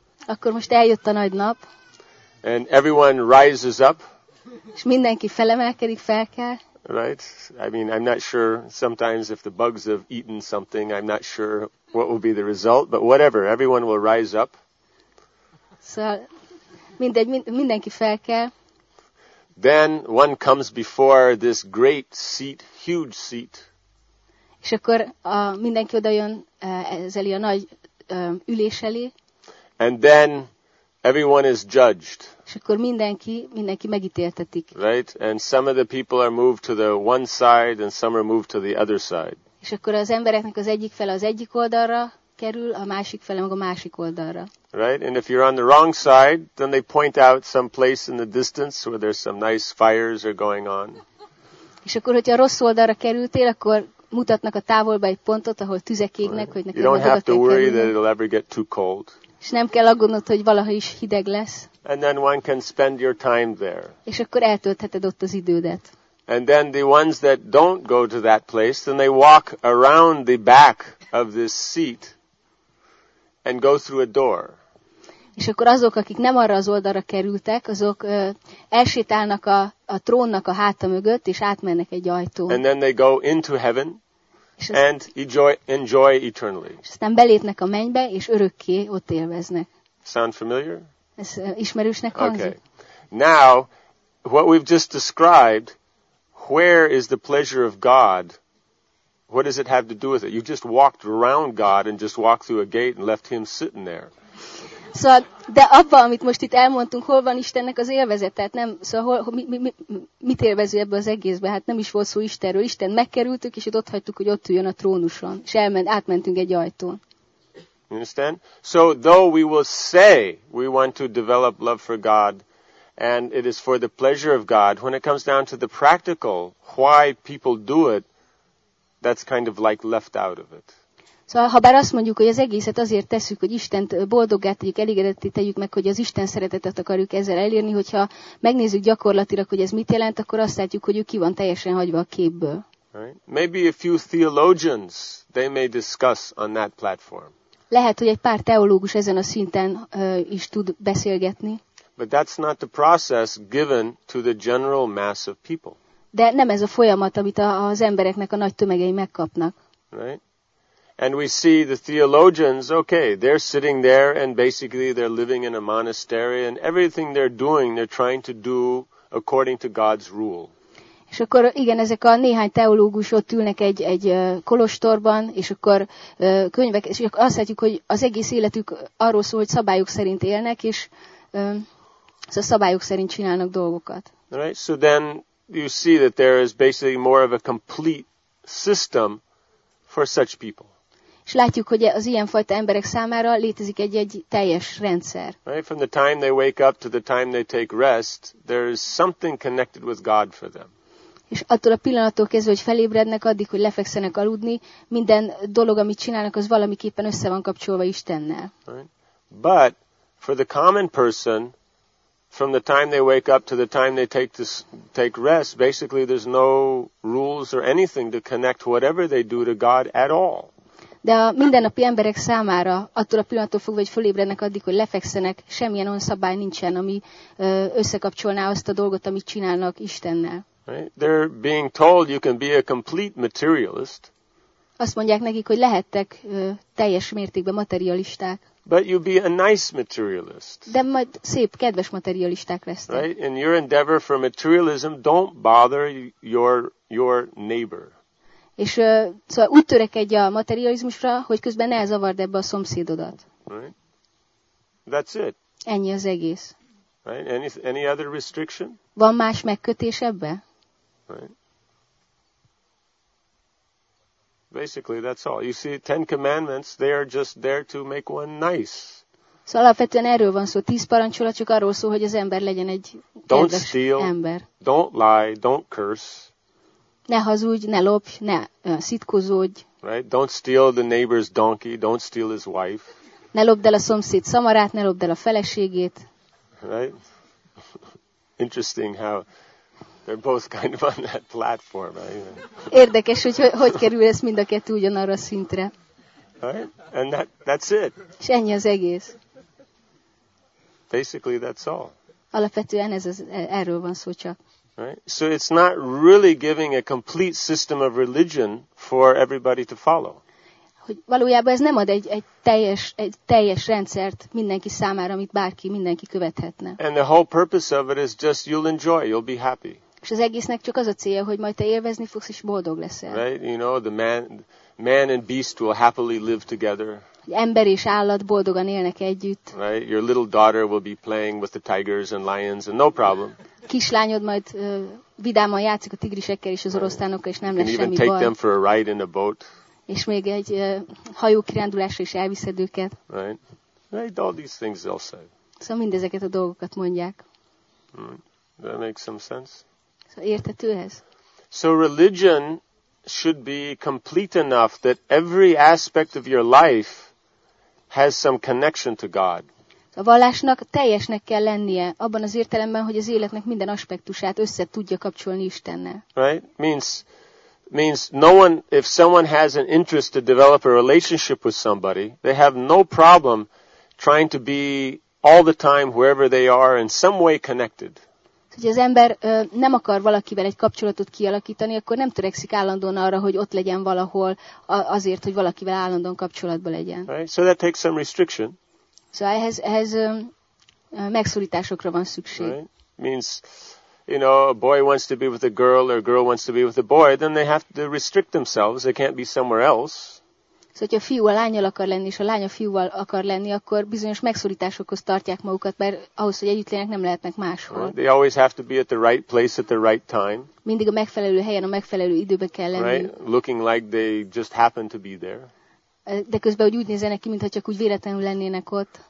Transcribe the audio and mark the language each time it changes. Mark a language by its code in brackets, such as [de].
[hu] Akkor most eljött a nagy nap. [en] And everyone rises up. [hu] És mindenki felemelkedik, fel kell. [en] Right? I mean, I'm not sure sometimes if the bugs have eaten something, I'm not sure what will be the result, but whatever, everyone will rise up. [hu] Szóval mindegy, mindenki fel kell. [en] Then one comes before this great seat, huge seat. [hu] És akkor mindenki oda jön ez elé a nagy ülés elé. [en] And then everyone is judged. [hu] És akkor mindenki megítéltetik. [en] Right? And some of the people are moved to the one side and some are moved to the other side. [hu] És akkor az embereknek az egyik fele az egyik oldalra kerül, a másik fele meg a másik oldalra. [en] Right? And if you're on the wrong side, then they point out some place in the distance where there's some nice fires are going on. [hu] És akkor, hogyha rossz oldalra kerültél, akkor mutatnak a távolba egy pontot, ahol tüzek égnek, [en] right, [hu] hogy neked oda kell kerülni. [en] You don't have to worry that it'll ever get too cold. [hu] És nem kell aggódnod, hogy valaha is hideg lesz. [en] And then one can spend your time there. [hu] És akkor eltöltheted ott az idődet. [en] And then the ones that don't go to that place, then they walk around the back of this seat and go through a door. [hu] És akkor azok, akik nem arra az oldalra kerültek, azok elsétálnak a trónnak a háta mögött, és átmennek egy ajtón. [en] And then they go into heaven and enjoy eternally. [hu] És aztán belépnek a mennybe, és örökké ott élveznek. [en] Sound familiar? [hu] Ez ismerősnek hangzik? [en] Okay. Now, what we've just described, where is the pleasure of God? What does it have to do with it? You just walked around God and just walked through a gate and left him sitting there. [hu] Szóval, de abban, amit most itt elmondtunk, hol van Istennek az élvezet? Tehát nem, szóval hol, mit élvező ebbe az egészbe? Hát nem is volt szó Istenről. Isten megkerültük, és ott hagytuk, hogy ott üljön a trónuson. És átmentünk egy ajtón. [en] You understand? So though we will say we want to develop love for God, and it is for the pleasure of God, when it comes down to the practical, why people do it, that's kind of like left out of it. [hu] Szóval, ha bár azt mondjuk, hogy az egészet azért tesszük, hogy Istent boldoggá tegyük, elégedetté tegyük meg, hogy az Isten szeretetet akarjuk ezzel elérni, hogyha megnézzük gyakorlatilag, hogy ez mit jelent, akkor azt látjuk, hogy ő ki van teljesen hagyva a képből. [en] Right? Maybe a few theologians, they may discuss on that platform. [hu] Lehet, hogy egy pár teológus ezen a szinten is tud beszélgetni. [en] But that's not the process given to the general mass of people. [hu] De nem ez a folyamat, amit az embereknek a nagy tömegei megkapnak. [en] Right? And we see the theologians, okay, they're sitting there and basically they're living in a monastery and everything they're doing, they're trying to do according to God's rule. [hu] És akkor igen, ezek a néhány teológus ott ülnek egy kolostorban, és akkor könyvek, és akkor azt látjuk, hogy az egész életük arról szól, hogy szabályok szerint élnek, és szóval szabályok szerint csinálnak dolgokat. [en] Right, so then you see that there is basically more of a complete system for such people. [hu] És látjuk, hogy az ilyenfajta emberek számára létezik egy teljes rendszer. [en] Right, from the time they wake up to the time they take rest, there is something connected with God for them. [hu] És attól a pillanattól kezdve, hogy felébrednek, addig, hogy lefekszenek aludni, minden dolog, amit csinálnak, az valamiképpen össze van kapcsolva Istennel. [en] But for the common person, from the time they wake up to the time they take rest, basically there's no rules or anything to connect whatever they do to God at all. [hu] De a mindennapi emberek számára, attól a pillanattól fogva, hogy felébrednek, addig, hogy lefekszenek, semmilyen olyan szabály nincsen, ami összekapcsolná azt a dolgot, amit csinálnak Istennel. [en] Right? They're being told you can be a complete materialist. [hu] Azt mondják nekik, hogy lehettek teljes mértékben materialisták. [en] But you be a nice materialist. [hu] De majd szép, kedves materialisták lesztek. [en] Right? In your endeavor for materialism, don't bother your neighbor. [hu] És szóval úgy törekedj a materializmusra, hogy közben ne zavard ebbe a szomszédodat. [en] Right? That's it. [hu] Ennyi az egész. [en] Right? Any other restriction? [hu] Van más megkötés ebbe? [en] Right. Basically, that's all. You see, Ten Commandments, they are just there to make one nice. [hu] Szóval alapvetően erről van szó. 10 parancsolat csak arról szól, hogy az ember legyen egy [en] don't [hu] kedves [en] steal, [hu] ember. [en] Don't lie, don't curse. [hu] Ne hazudj, ne lopj, ne szitkozódj. [en] Right? Don't steal the neighbor's donkey, don't steal his wife. [hu] Ne lopd el a szomszéd szamarát, ne lopd el a feleségét. [en] Right? Interesting how they're both kind of on that platform. [hu] Érdekes, hogy hogy kerül ez mind a kettő ugyanarra a szintre. [en] Right? And that's it. [hu] És ennyi az egész. [en] Basically, that's all. [hu] Alapvetően ez az, erről van szó csak. [en] Right? So it's not really giving a complete system of religion for everybody to follow. [hu] Hogy valójában ez nem ad egy teljes rendszert mindenki számára, amit bárki, mindenki követhetne. [en] And the whole purpose of it is just you'll enjoy, you'll be happy. [hu] És az egésznek csak az a célja, hogy majd te élvezni fogsz és boldog leszel. [en] Right? You know, the man and beast will happily live together. [hu] Ember és állat boldogan élnek együtt. [en] Right? Your little daughter will be playing with the tigers and lions and no problem. [hu] Kislányod majd vidáman játszik a tigrisekkel és az oroszlánokkal, és nem lesz semmi baj. [en] You can even take them for a ride in a boat. [hu] És még egy hajókirándulásra is elviszed őket. [en] Right? All these things they'll say. [hu] Szóval mindezeket a dolgokat mondják. [en] That makes some sense. [hu] Szóval érthető ez? [en] So religion should be complete enough that every aspect of your life has some connection to God. [hu] A vallásnak teljesnek kell lennie abban az értelemben, hogy az életnek minden aspektusát össze tudja kapcsolni Istennel. [en] Right? Means no one, if someone has an interest to develop a relationship with somebody, they have no problem trying to be all the time wherever they are in some way connected. [hu] Hogy az ember nem akar valakivel egy kapcsolatot kialakítani, akkor nem törekszik állandóan arra, hogy ott legyen valahol azért, hogy valakivel állandóan kapcsolatban legyen. [en] Right? So that takes some restriction. [hu] Szóval ehhez megszorításokra van szükség. [en] Right? Means, you know, a boy wants to be with a girl or a girl wants to be with a boy, then they have to restrict themselves, they can't be somewhere else. [hu] Szóval, hogyha a fiú a lányal akar lenni, és a lány a fiúval akar lenni, akkor bizonyos megszorításokhoz tartják magukat, mert ahhoz, hogy együtt lények, nem lehetnek máshol. [en] They always have to be at the right place at the right time. [hu] Mindig a megfelelő helyen, a megfelelő időben kell lenni. [en] Right? Looking like they just happen to be there. [hu] De közben hogy úgy nézzenek ki, mintha csak úgy véletlenül lennének ott.